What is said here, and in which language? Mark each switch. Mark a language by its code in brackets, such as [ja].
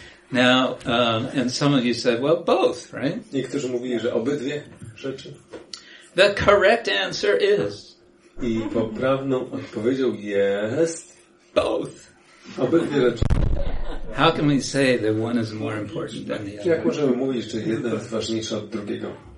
[en] Now, and some of you said, well, both, right? [pl] Niektórzy mówili, że obydwie rzeczy. [en] The correct answer is. [pl] I poprawną odpowiedzią jest. [en] Both. [pl] Obydwie rzeczy. [en] How can we say that one is more important than the other? [pl] Jak możemy mówić, że jedno jest ważniejsze od drugiego?